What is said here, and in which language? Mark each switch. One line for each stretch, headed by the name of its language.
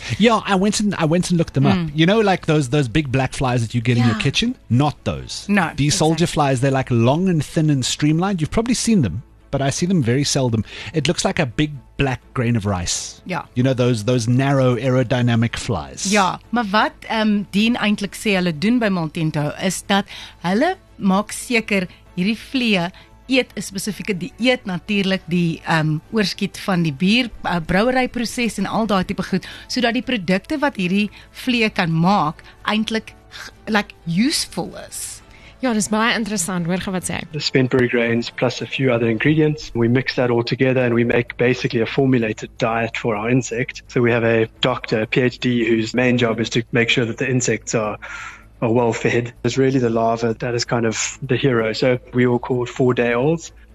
English: Yeah, I went and looked them up. You know, like those big black flies that you get in your kitchen? Not those. No. These soldier flies, they're like long and thin and streamlined. You've probably seen them, but I see them very seldom. It looks like a big black grain of rice. Yeah. You know, those narrow aerodynamic flies. Yeah.
Afrikaans: Maar wat Dean eintlik sê hulle doen by Maltento is dat hulle maak seker hierdie vliee eet 'n spesifieke dieet, natuurlik die oorskiet van die bier brouwerij proces en al daai tipe goed, sodat die produkte wat hierdie vliee kan maak eintlik like useful is. Ja, dis baie interessant. Hoor gou wat sê.
English: The spent brewing grains plus a few other ingredients. We mix that all together and we make basically a formulated diet for our insect. So we have a doctor, a PhD, whose main job is to make sure that the insects are well fed. It's really the larva that is kind of the hero. So we all call it 4-day-olds.